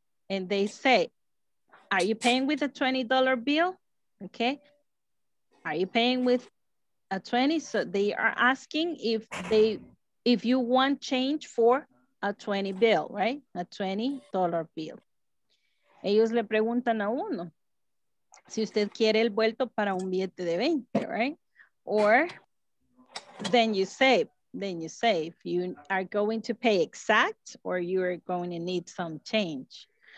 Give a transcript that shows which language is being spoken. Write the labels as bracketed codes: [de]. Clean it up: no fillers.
[en] And they say, are you paying with a $20 bill, okay? Are you paying with a $20? So they are asking if you want change for a $20 bill, right? A $20 bill. [es] Ellos le preguntan a uno si usted quiere el vuelto para un billete de 20, right? [en] Or then you say if you are going to pay exact or you are going to need some change.